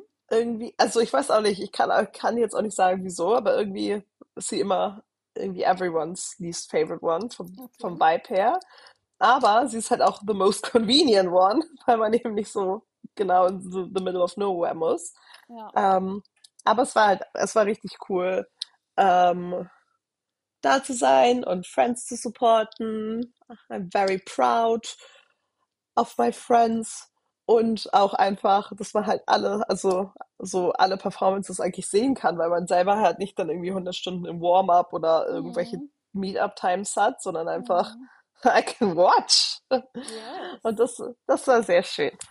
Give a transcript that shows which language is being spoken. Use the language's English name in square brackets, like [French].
[German] Irgendwie, also ich weiß auch nicht, ich kann jetzt auch nicht sagen, wieso, aber irgendwie ist sie immer irgendwie [English] everyone's least favorite one [German] vom Vibe her. Aber sie ist halt auch [English] the most convenient one, [German] weil man eben nicht so genau [English] in the middle of nowhere [German] muss. Aber es war richtig cool. Da zu sein und Friends zu supporten. [English] I'm very proud of my friends. [German] Und auch einfach, dass man halt alle, also so alle Performances eigentlich sehen kann, weil man selber halt nicht dann irgendwie 100 Stunden im Warm-up oder irgendwelche Meet-up-Times hat, sondern einfach, [English] I can watch. [German] Und das war sehr schön.